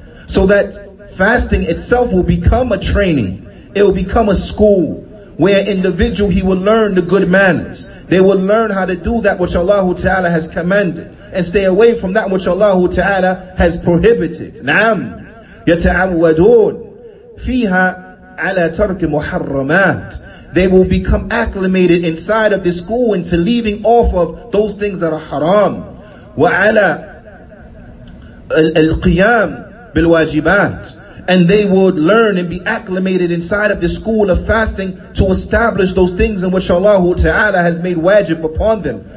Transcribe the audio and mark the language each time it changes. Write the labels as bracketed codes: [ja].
[en] So that fasting itself will become a training. It will become a school where an individual, he will learn the good manners. They will learn how to do that which Allah Ta'ala has commanded, and stay away from that which Allah Ta'ala has prohibited. [ar] نعم. يتعودون فيها على ترك محرمات. [en] They will become acclimated inside of the school into leaving off of those things that are haram. [ar] وعلى القيام بالواجبات. [en] And they would learn and be acclimated inside of the school of fasting to establish those things in which Allah Ta'ala has made wajib upon them.